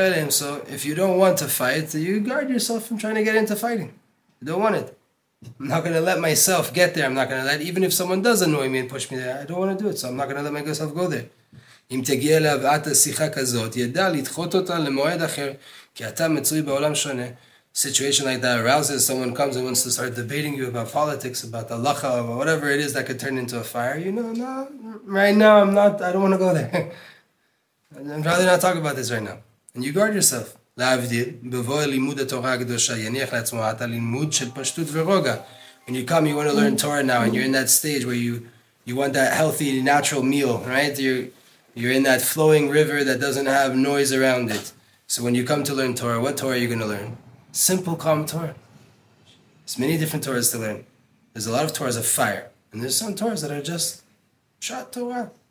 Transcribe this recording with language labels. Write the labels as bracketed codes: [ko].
[en] So if you don't want to fight, you guard yourself from trying to get into fighting. You don't want it. I'm not going to let myself get there. I'm not going to let, even if someone does annoy me and push me there, I don't want to do it. So I'm not going to let myself go there. [he] אם תגיע להבאת השיחה כזאת, ידע לדחות אותה למועד אחר, כי אתה מצוי בעולם שונה. [en] Situation like that arouses, someone comes and wants to start debating you about politics, about the halacha, or whatever it is that could turn into a fire. You know, no, right now I don't want to go there. I'd rather not talk about this right now. And you guard yourself. [he] להבדיל, בבוא לימוד התורה הקדושה, יניח לעצמו את הלימוד של פשטות ורוגע. [en] When you come, you want to learn Torah now, and you're in that stage where you want that healthy, natural meal, right? You're in that flowing river that doesn't have noise around it. So when you come to learn Torah, what Torah are you going to learn? Simple, calm Torah. There's many different Torahs to learn. There's a lot of Torahs of fire, and there's some Torahs that are just Shat Torah.